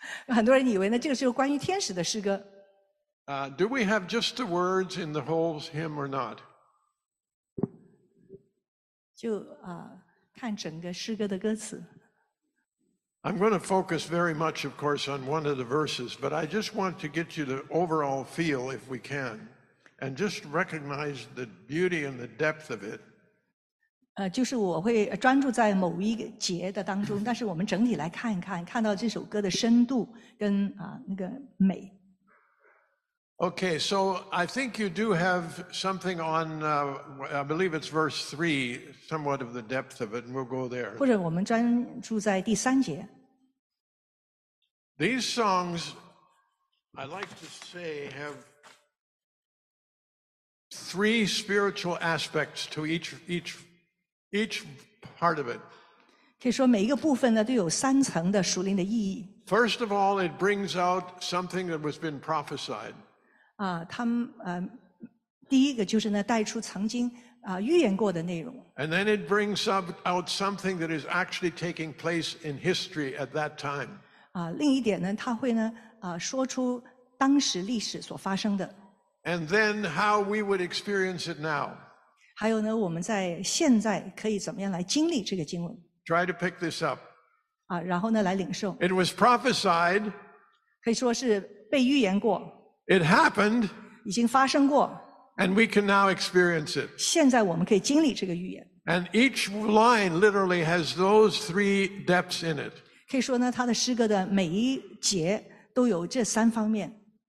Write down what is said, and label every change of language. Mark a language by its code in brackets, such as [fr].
[zh] 很多人以为呢这个是关于天使的诗歌。 [en] Do we have just the words in the whole hymn or not? [zh] 就看整个诗歌的歌词。 [en] I'm going to focus very much, of course, on one of the verses, but I just want to get you the overall feel, if we can. And just recognize the beauty and the depth of it. [zh] 就是我会专注在某一个节的当中，但是我们整体来看一看，看到这首歌的深度跟那个美。 [en] Okay, so I think you do have something on, I believe it's verse 3, somewhat of the depth of it, and we'll go there. [zh] 或者我们专注在第三节。 [en] These songs, I like to say, have... Three spiritual aspects to each part of it. [zh] 可以说每一个部分呢都有三层的属灵的意义。 [en] First of all, it brings out something that has been prophesied. [zh] 他们第一个就是呢带出曾经预言过的内容。 [en] And then it brings out something that is actually taking place in history at that time. [zh] 另一点呢，他会呢说出当时历史所发生的。 [en] And then how we would experience it now. [zh] 还有呢，我们在现在可以怎么样来经历这个经文 [en] ？Try to pick this up. [zh] 然后呢，来领受。 [en] It was prophesied. [zh] 可以说是被预言过。 [en] It happened. [zh] 已经发生过。 [en] And we can now experience it. [zh] 现在我们可以经历这个预言。 [en] And each line literally has those three depths in it. [zh] 可以说呢，他的诗歌的每一节都有这三方面。